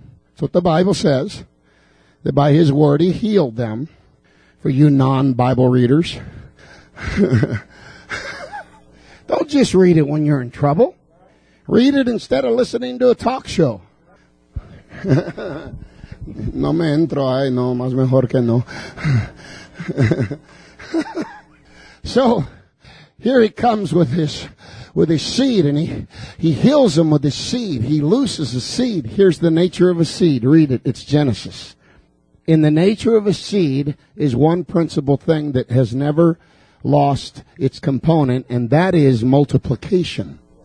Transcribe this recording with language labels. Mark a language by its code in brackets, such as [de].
[en] That's what the Bible says, that by his word he healed them. For you non-Bible readers, don't just read it when you're in trouble. Read it instead of listening to a talk show. [es] No me entro, ay, no, más mejor que no. [en] So, here he comes with his seed, and he heals him with his seed. He looses a seed. Here's the nature of a seed. Read it. It's Genesis. In the nature of a seed is one principal thing that has never lost its component, and that is multiplication.